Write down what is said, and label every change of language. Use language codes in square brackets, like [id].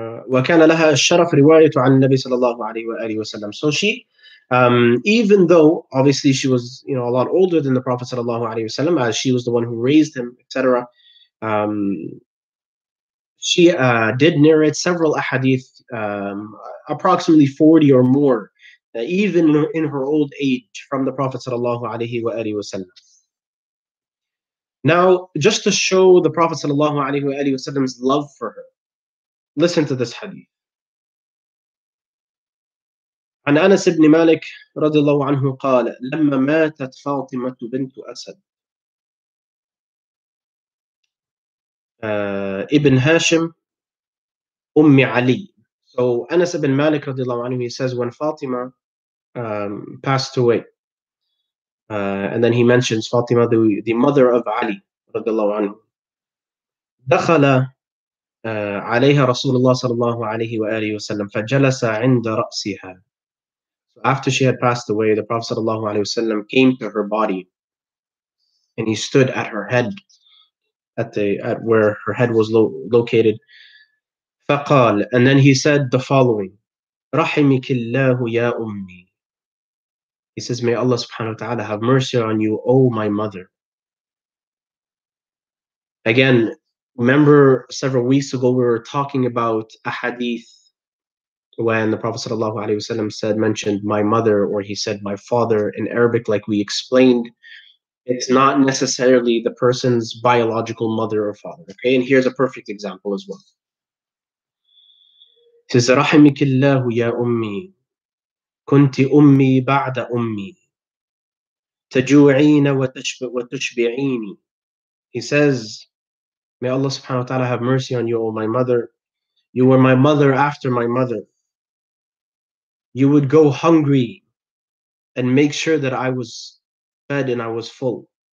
[ar] وكان لها الشرف رواية عن النبي صلى الله عليه وآله وسلم. [en] So she, even though obviously she was, you know, a lot older than the Prophet صلى الله عليه وسلم, as she was the one who raised him, etc. She did narrate several ahadith, approximately 40 or more, even in her old age, from the Prophet صلى الله عليه وآله وسلم. Now, just to show the Prophet sallallahu alaihi wasallam's love for her, listen to this hadith. [ar] An Anas ibn Malik radiallahu anhu قال لما ماتت فاطمة بنت أسد ابن هاشم أم علي. [en] So Anas ibn Malik radiallahu anhu, he says when Fatima passed away, and then he mentions Fatima, the mother of Ali. [ar] دخل عليها رسول الله صلى الله عليه وآله وسلم فجلس عند رأسها. [en] So after she had passed away, the Prophet صلى الله عليه وسلم came to her body, and he stood at her head, at where her head was located. فقال, and then he said the following, [ar] رحمك الله يا أمي. [en] He says, may Allah سبحانه وتعالى have mercy on you, O my mother. Again, remember several weeks ago we were talking about a hadith when the Prophet sallallahu alaihi wasallam mentioned my mother, or he said my father in Arabic. Like we explained, it's not necessarily the person's biological mother or father. Okay, and here's a perfect example as well. It says, [ar] رحمك الله يا أمي كنت أمي بعد أمي تجوعين وتشبعيني. [en] He says, may Allah subhanahu wa ta'ala have mercy on you, O my mother. You were my mother after my mother. You would go hungry and make sure that I was fed and I was full.